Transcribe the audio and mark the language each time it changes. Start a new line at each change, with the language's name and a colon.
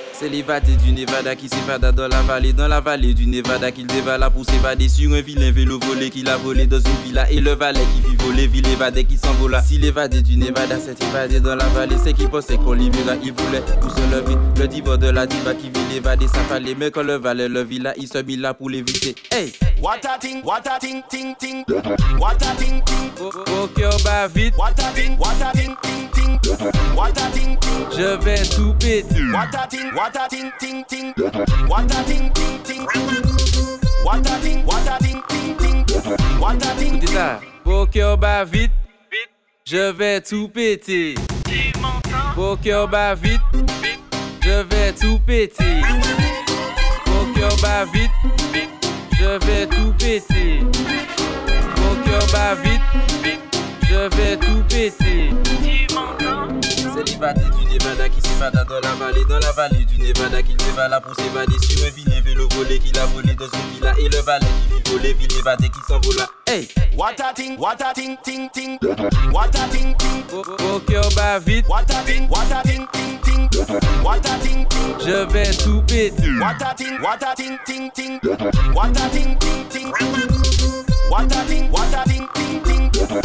French: s'est évadé du Nevada qui s'évada dans la vallée. Dans la vallée du Nevada qu'il dévala pour s'évader sur un vilain vélo volé qu'il a volé dans une villa. Et le valet qui vit voler, ville évadé qui s'envola. S'il évadé du Nevada s'est évadé dans la vallée, c'est qu'il pensait qu'on libéra. Il voulait tout se lever. Le diva de la diva qui vit l'évader, ça fallait. Mais quand le valet le villa, il se mit là pour l'éviter. Hey!
English: What a ting, what a ting, ting, ting. What a ting, ting.
French: Ok, on va vite.
English: What a ting, what a ting, ting, ting. What a ting, ting.
French: Je vais tout péter.
English: What a ting, what a ting, ting, ting. What a ting, ting, ting. What a ting, what a ting, ting, ting. What a ting, ting.
French: Ok, on va vite. Je vais tout péter. Ok, on va vite. Je vais tout péter. Ok, on va vite. Je vais tout péter. Mon cœur bat vite. Je vais tout péter. C'est l'évadé du Nevada qui s'évada dans la vallée. Dans la vallée du Nevada qu'il dévala pour s'évader. Sur un vilain vélo volé qu'il a volé dans une villa. Et le valet qui vit voler, ville évadée qui s'envola. Hey!
English: What a ting, what a ting, ting, ting. What a ting, ting.
French: Mon cœur bat vite.
English: What a ting, what a ting, ting, ting. What a ting, ting.
French: Je vais tout péter.
English: What a ting, what a ting, ting, ting. What a ting, ting, ting. What a ting, what a ting, ting, ting.